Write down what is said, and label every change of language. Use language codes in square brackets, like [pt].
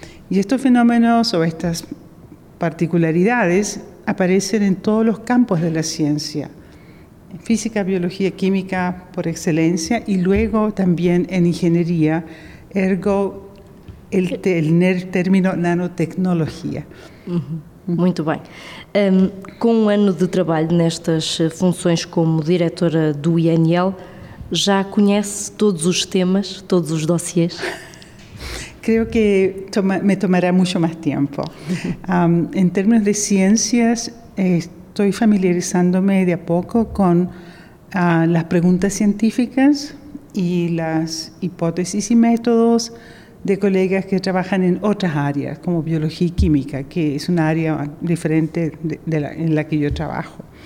[es] Y estos fenómenos o estas particularidades aparecen en todos los campos de la ciencia, en física, biología, química por excelencia, y luego también en ingeniería, ergo el término nanotecnología. [pt] Muito bem. Com um ano de trabalho nestas funções como diretora do INL, já conhece todos os temas, todos os dossiers? [es] Creo que me tomará mucho más tiempo. En términos de ciencias, estoy familiarizándome de a poco con las preguntas científicas y las hipótesis y métodos de colegas que trabajan en otras áreas, como biología y química, que es un área diferente en la que yo trabajo.